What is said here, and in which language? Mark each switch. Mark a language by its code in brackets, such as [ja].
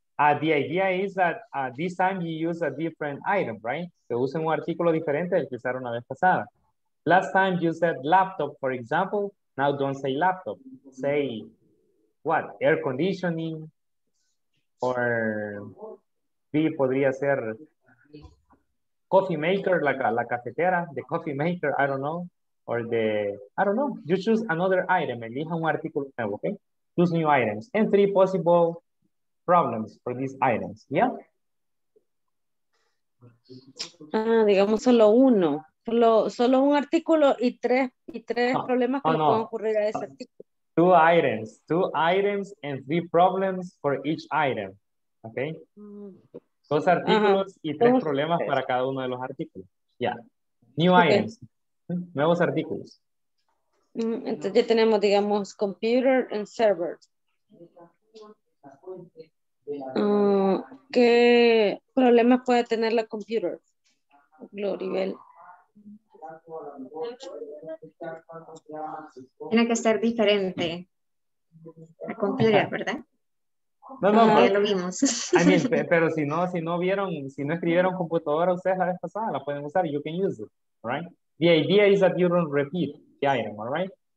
[en] The idea is that this time you use a different item, right? [es] Se usa un artículo diferente del que usaron la vez pasada. [en] Last time you said laptop, for example. Now don't say laptop. Say what? Air conditioning or B [es] podría ser [en] coffee maker, [es] la cafetera, [en] the coffee maker, I don't know. Or the, I don't know. You choose another item. [es] Elija un artículo nuevo, [en] okay? Choose new items. And three possible problems for these items, yeah? [es] Digamos solo uno. Solo un artículo y tres problemas que pueden ocurrir a ese artículo. [en] Two items and three problems for each item, okay? [es] Dos artículos y tres problemas para cada uno de los artículos, yeah. [en] New items, [es] nuevos artículos. Entonces ya tenemos, digamos, computer and server. ¿Qué problemas puede tener la computer? Gloribel. Tiene que ser diferente a computer, ¿verdad? No, no, ya lo vimos. Pero si no vieron, si no escribieron computadora ustedes la vez pasada, la pueden usar. [en] You can use it, right? The idea is that you don't repeat the item, all right?